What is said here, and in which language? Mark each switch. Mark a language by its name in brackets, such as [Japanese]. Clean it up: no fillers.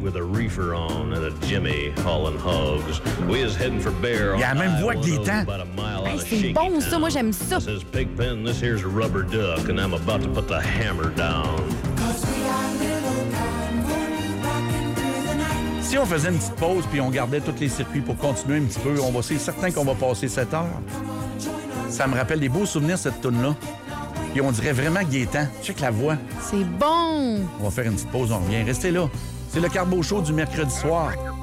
[English] with a reefer on and a Jimmy hauling hogs. We is heading for bear on [French] Il y a la même voix que Gaétan. Hey, c'est bon, ça, moi j'aime ça. [English] This is Pigpen, this here's Rubber Duck, and I'm about to put the hammer down. [French] Si on faisait une petite pause puis on gardait tous les circuits pour continuer un petit peu, on va c'est certain qu'on va passer 7 heures. Ça me rappelle des beaux souvenirs, cette toune-là. Puis on dirait vraiment Gaétan. Check la voix. C'est bon! On va faire une petite pause, on revient. Restez là. C'est le Carbo Show du mercredi soir.